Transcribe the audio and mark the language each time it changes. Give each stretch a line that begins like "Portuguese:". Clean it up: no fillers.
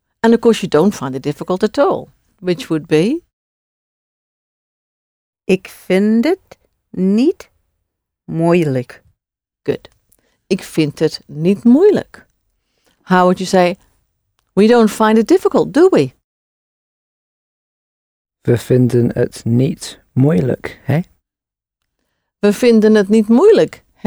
English: And of course you don't find it difficult at all, which would be?
Dutch: Ik vind het niet moeilijk.
English: Good.
Dutch: Ik vind het niet moeilijk.
English: How would you say, we don't find it difficult, do we?
Dutch: We vinden het niet moeilijk, hè? We vinden het niet moeilijk.